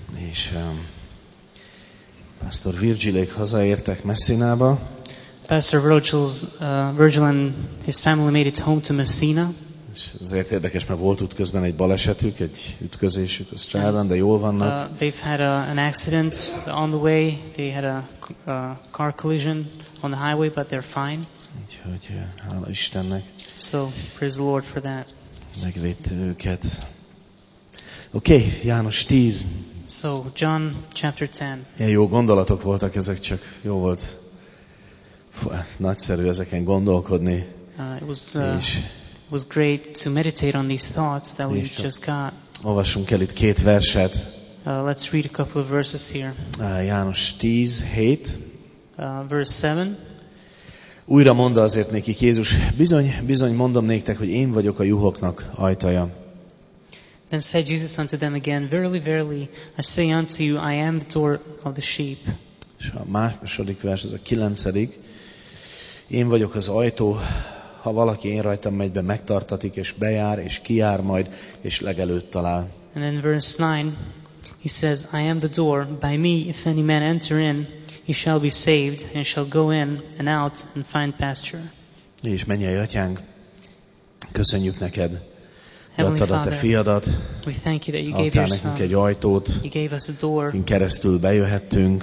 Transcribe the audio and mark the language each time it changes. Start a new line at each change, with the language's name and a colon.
Hungarian: És Pastor Virgilék hazaértek Messinába.
English: Pastor Virgil and his family made it home to Messina.
Hungarian: És ezért érdekes, mert volt útközben egy balesetük, egy ütközésük a strádán, de jól vannak.
English: They've had an accident on the way. They had a car collision on the highway, but they're fine.
Hungarian: Úgyhogy hála Istennek.
English: So praise the Lord for that.
Hungarian: Megvéd őket. Okay, János 10.
English: So John chapter 10.
Hungarian: Ilyen jó gondolatok voltak ezek, csak jó volt nagyszerű ezeken gondolkodni.
English: It was great to meditate on these thoughts that we just got.
Hungarian: Olvassunk el itt két verset.
English: Let's read a couple of verses here.
Hungarian: János 10, 7.
English: Verse 7.
Hungarian: Újra mondta azért nekik Jézus, bizony mondom néktek, hogy én vagyok a juhoknak ajtaja.
English: Then said Jesus unto them again, verily, verily, I say unto you, I am the door of the sheep.
Hungarian: És a második vers, ez a kilencedik. Én vagyok az ajtó, ha valaki én rajtam megy be, megtartatik, és bejár, és kijár majd, és legelőt talál.
English: And then verse 9, he says, I am the door, by me, if any man enter in, he shall be saved and shall go in and out and find pasture.
Hungarian: És mennyei atyánk, köszönjük neked, adtad a te fiadat,
English: we thank you that you gave your son.
Hungarian: Egy ajtót,
English: you gave us a door,
Hungarian: in keresztül bejöhettünk,